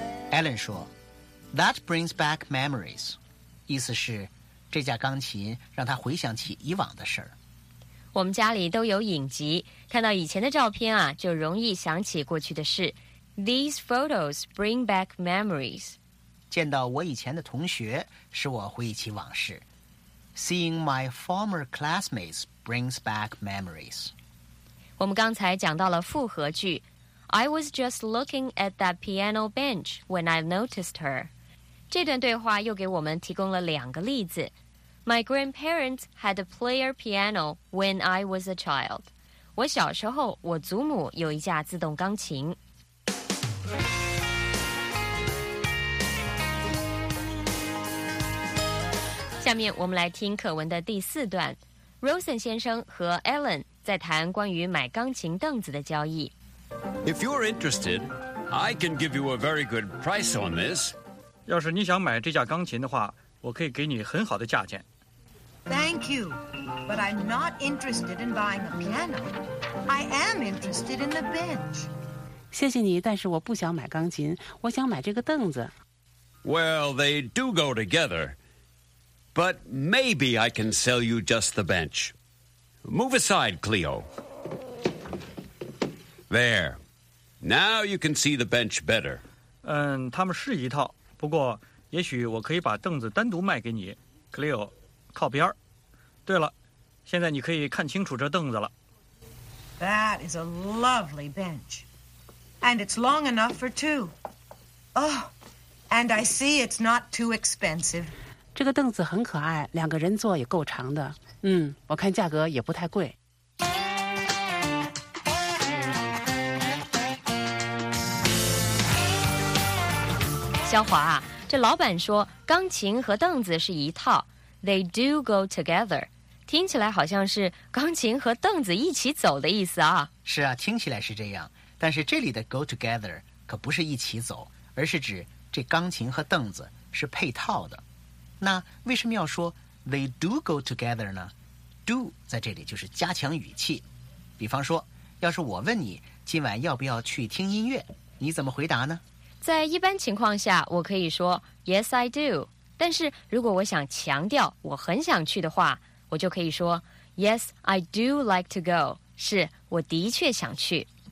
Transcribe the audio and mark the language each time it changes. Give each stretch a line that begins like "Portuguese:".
Chinese: Alan 说
English: That brings back memories，
Chinese: 意思是这架钢琴让他回想起以往的事儿。我们家里都有影集，看到以前的照片啊，就容易想起过去的事。
English: These photos bring back memories.
Chinese: 见到我以前的同学，使我回忆起往事。
English: Seeing my former classmates brings back memories.
Chinese: 我们刚才讲到了复合句。
English: I was just looking at that piano bench when I noticed her.
Chinese: 这段对话又给我们提供了两个例子。
English: My grandparents had a player piano when I was a child.
Chinese: 我小时候，我祖母有一架自动钢琴。下面我们来听课文的第四段。Rosen 先生和 Alan 在谈关于买钢琴凳子的交易。
English: If you're interested, I can give you a very good price on this.
Chinese: 要是你想买这架钢琴的话，我可以给你很好的价钱。
English: Thank you, but I'm not interested in buying a piano. I am interested in the bench.
Chinese: 谢谢你，但是我不想买钢琴，我想买这个凳子。
English: Well, they do go together, but maybe I can sell you just the bench. Move aside, Cleo. There. Now you can see the bench better.
Chinese: 嗯，他们是一套，不过也许我可以把凳子单独卖给你。 Cleo， 靠边。对了，现在你可以看清楚这凳子了。
English: That is a lovely bench. And it's long enough for two. Oh, and I see it's not too expensive.
Chinese: 这个凳子很可爱，两个人坐也够长的。嗯，我看价格也不太贵。肖华啊，这老板说钢琴和凳子是一套，
English: They do go together，
Chinese: 听起来好像是钢琴和凳子一起走的意思啊。是啊，听起来是这样，但是这里的 go together 可不是一起走，而是指这钢琴和凳子是配套的。那为什么要说
English: They do go together
Chinese: 呢？ Do 在这里就是加强语气。比方说，要是我问你今晚要不要去听音乐，你怎么回答呢？在一般情况下我可以说
English: Yes, I do，
Chinese: 但是如果我想强调我很想去的话，我就可以说
English: Yes, I do like to go，
Chinese: 是我的确想去。